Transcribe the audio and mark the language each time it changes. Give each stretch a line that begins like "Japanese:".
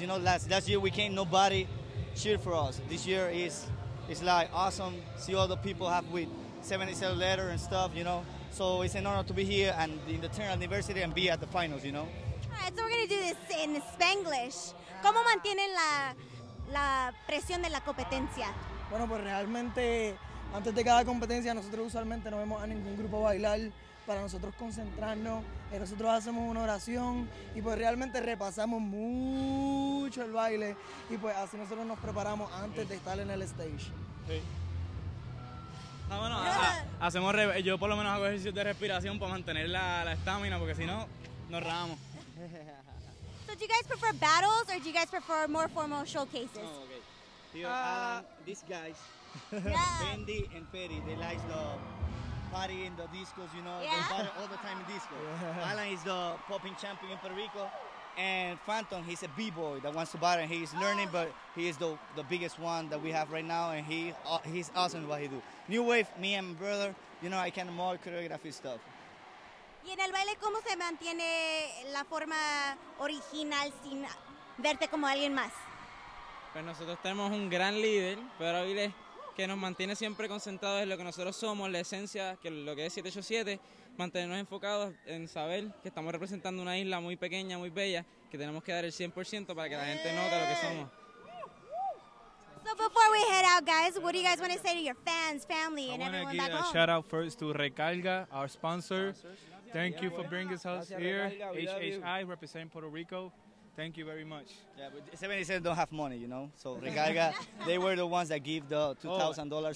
English: you know? Last year we came, nobody cheered for us. This year it's like awesome. See all the people have with 787 letter and stuff, you know? So it's an honor to be here and in the 10th anniversary and be at the finals, you know? All right, so we're going to do this in Spanglish.
Spanish: ¿Cómo mantienen la presión de la competencia? Bueno, pues realmente, antes de cada competencia, nosotros usualmente no vemos a ningún grupo bailar para nosotros concentrarnos. Nosotros hacemos una oración y pues realmente repasamos mucho el baile y pues así nosotros nos preparamos antes de estar en el stage. Sí. Ah, bueno, yo por lo menos hago ejercicios de respiración para mantener la estamina porque si no, nos rajamos.
English: So do you guys prefer battles or do you guys prefer more formal showcases? Oh, okay. These guys, Bendy and Ferry, they like the party in the discos, you know, yeah. They party all the time in disco. Yeah. Alan is the popping champion in Puerto Rico, and Phantom, he's a b-boy that wants to battle, and he's learning, but he is the biggest one that we have right now, and he's awesome at what he do. New Wave, me and my brother, you know, I can more choreography stuff.
Spanish: ¿Y en el baile cómo se mantiene la forma original sin verte como alguien más? Pues nosotros tenemos un gran líder, pero él es que nos mantiene siempre concentrados en lo que nosotros somos, la esencia, que lo que es 787, mantenernos enfocados en saber que estamos representando una isla muy pequeña, muy bella, que tenemos que dar el 100% para que la gente note lo que somos.
English: So before we head out, guys, what do you guys want to say to your fans, family, and everyone back home? I want to give a shout out first to Recarga, our sponsor. Thank you for bringing us here. HHI representing Puerto Rico. Thank you very much. Yeah, but 787 don't have money, you know? So Recarga, they were the ones that give the $2,000